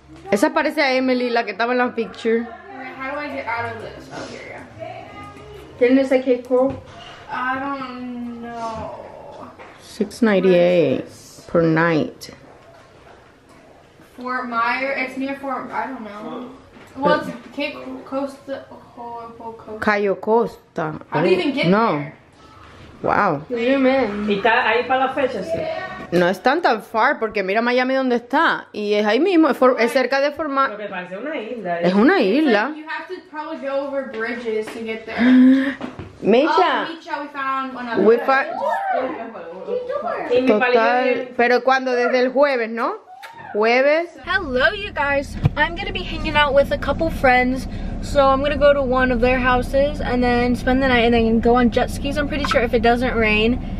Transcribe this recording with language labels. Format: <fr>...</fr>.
<es>Esa parece a Emily, la que estaba en la picture.</es> <en>How do I get out of this? Oh, here, yeah. Didn't it say cake crawl? I don't know. $698 per night. Fort Myers, it's near Fort, I don't know. Well, it's Cape Costa, Coast. Cayo Costa. I don't even get no. There. Wow. Zoom in.</en> <es>¿Y está ahí para la fecha? Sí. No están tan</es> <en>far</en> <es>porque mira Miami donde está. Y es ahí mismo, es cerca de Fort Myers. Lo que parece una isla. Es una isla.</es> <en>Like you have to probably go over bridges to get there. Misha, oh, we found another.</en> <es>Total, pero cuando desde el jueves, ¿no? Jueves.</es> <en>Hello, you guys. I'm gonna be hanging out with a couple friends, so I'm gonna go to one of their houses and then spend the night and then go on jet skis. I'm pretty sure if it doesn't rain,</en>